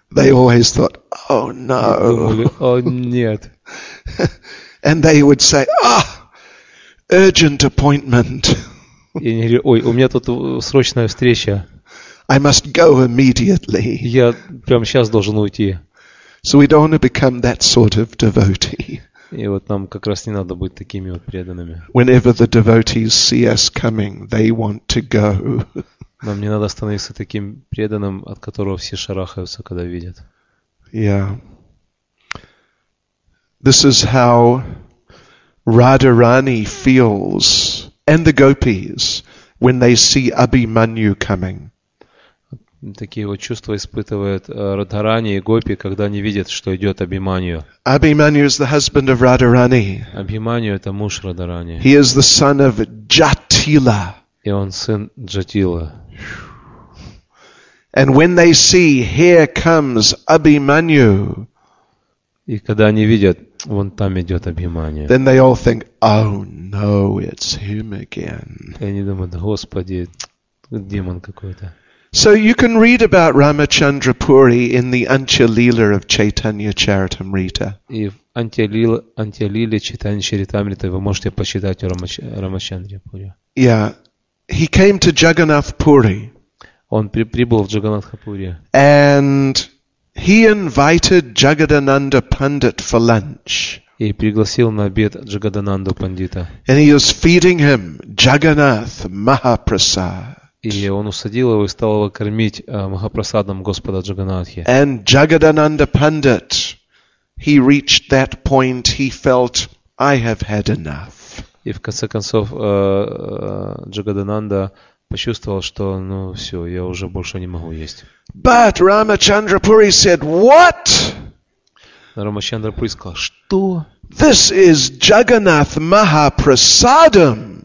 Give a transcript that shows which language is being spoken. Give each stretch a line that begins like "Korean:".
English: they always thought, oh no.
Russian: Думали, о нет.
English: And they would say, ah, urgent appointment.
Russian: И они говорили, ой, у меня тут срочная встреча.
English: I must go immediately.
Russian: Я прямо сейчас должен уйти.
English: So we don't want to become that sort of devotee.
Russian: И вот нам как раз не надо быть такими вот преданными.
English: Whenever the devotees see us coming, they want to go.
Russian: Нам не надо становиться таким преданным, от которого все шарахаются, когда видят.
English: Yeah. This is how Radharani feels and the gopis when they see Abhimanyu coming.
Russian: Такие вот чувства испытывают Радхарани и Гопи, когда они видят, что идет Абхиманью.
English: Abhimanyu is the husband of Radharani.
Russian: Абхиманью это муж Радхарани.
English: He is the son of Jatila.
Russian: И он сын Джатила.
English: And when they see, here comes Abhimanyu.
Russian: И когда они видят, вон там идет Абхиманью.
English: Then they all think, oh no, it's him again.
Russian: И они думают, Господи, демон какой-то.
English: So you can read about Ramachandrapuri in the Antyalila of Chaitanya Charitamrita.
Russian: И в Антялиле Чайтанья Чаритамрита вы можете почитать о Рамачандрапури.
English: Yeah, he came to Jagannath Puri.
Russian: Он прибыл в Джаганатхапури.
English: And he invited Jagadananda Pandit for lunch.
Russian: И пригласил на обед Джагадананду Пандита.
English: And he was feeding him Jagannath Mahaprasad.
Russian: И он усадил его и стал его кормить Махапрасадом Господа Джаганатхи.
English: And Jagadananda Pandit, he reached that point, he felt, I have had enough.
Russian: И в конце концов Джагадананда почувствовал, что ну все, я уже больше не могу есть.
English: But Рамачандрапури said, what?
Russian: Рамачандрапури сказал, что?
English: This is Jagannath Mahaprasadam.